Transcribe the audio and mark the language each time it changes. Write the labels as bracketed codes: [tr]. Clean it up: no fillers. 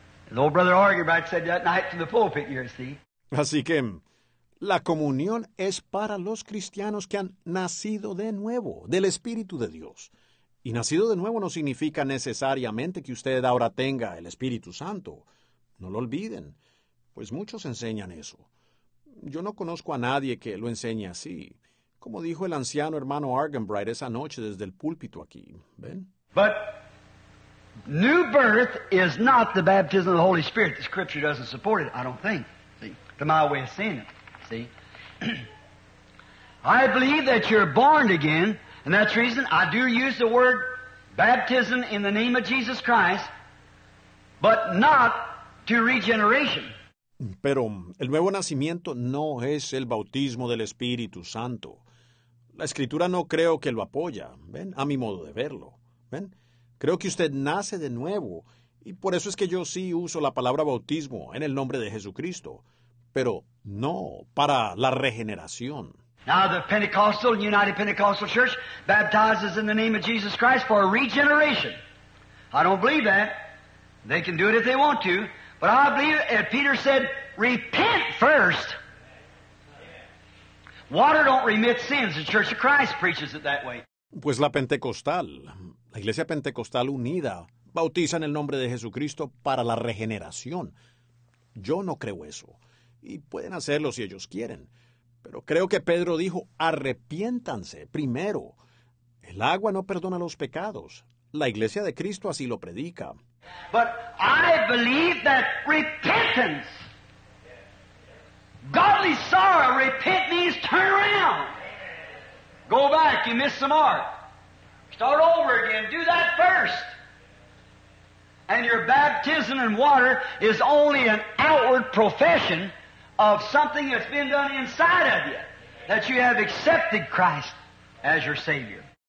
[en] The old brother Argybright said that night to the pulpit, you see. [es] Así que, la comunión es para los cristianos que han nacido de nuevo del Espíritu de Dios. Y nacido de nuevo no significa necesariamente que usted ahora tenga el Espíritu Santo. No lo olviden, pues muchos enseñan eso. Yo no conozco a nadie que lo enseñe así. Como dijo el anciano hermano Argenbright esa noche desde el púlpito aquí, ¿ven? [en] But new birth is not the baptism of the Holy Spirit. The Scripture doesn't support it, I don't think. See, to my way of seeing it, see? I believe that you're born again, and that's the reason I do use the word baptism in the name of Jesus Christ, but not to regeneration. [es] Pero el nuevo nacimiento no es el bautismo del Espíritu Santo. La Escritura no creo que lo apoya, ¿ven? A mi modo de verlo, ¿ven? Creo que usted nace de nuevo, y por eso es que yo sí uso la palabra bautismo en el nombre de Jesucristo, pero no para la regeneración. [en] Now the Pentecostal, United Pentecostal Church, baptizes in the name of Jesus Christ for regeneration. I don't believe that. They can do it if they want to. But I believe that Peter said, repent first. Water don't remit sins. The Church of Christ preaches it that way. [es] Pues la Pentecostal, la Iglesia Pentecostal unida, bautiza en el nombre de Jesucristo para la regeneración. Yo no creo eso. Y pueden hacerlo si ellos quieren. Pero creo que Pedro dijo, arrepiéntanse primero. El agua no perdona los pecados. La Iglesia de Cristo así lo predica. [en] But I believe that repentance, godly sorrow, repent means turn around. Go back, you missed the mark. Start over again, do that first. And your baptism in water is only an outward profession of something that's been done inside of you, that you have accepted Christ as your Savior.